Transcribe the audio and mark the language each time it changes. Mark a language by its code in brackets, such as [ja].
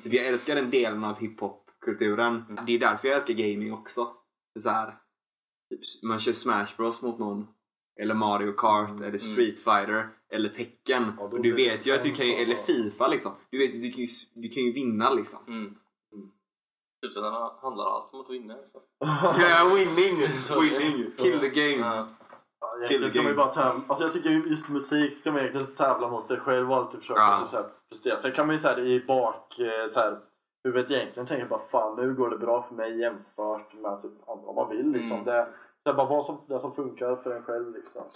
[sv] Typ jag älskar den delen av hiphopkulturen. Det är därför jag älskar gaming också. Så här, typ, man kör Smash Bros mot någon eller Mario Kart eller Street Fighter eller Tekken och du vet ju att du kan ju, eller FIFA liksom. Du vet att du kan ju vinna liksom. Typ så den handlar allt om att vinna liksom. [en] Yeah, winning, winning, kill the game. [sv] Ska man bara alltså jag tycker just musik ska man egentligen tävla mot sig själv och typ försöka prestera. Sen kan man ju så här i bak så här huvudet egentligen tänka bara fan nu går det bra för mig jämfört med typ andra man vill liksom. Det är bara det som funkar för en själv liksom.